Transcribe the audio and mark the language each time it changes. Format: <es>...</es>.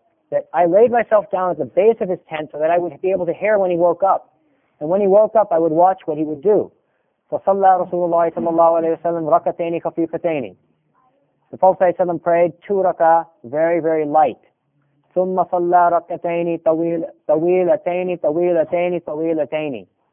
<en>That I laid myself down at the base of his tent so that I would be able to hear when he woke up. And when he woke up, I would watch what he would do.</en> <ar>So, صلى رسول الله صلى الله عليه وسلم ركعتين خفيفتين.</ar> <en>The Prophet ﷺ prayed two rak'ah, very, very light.</en> <ar>ثم صلى ركعتين طويلتين طويلتين طويلتين.</ar>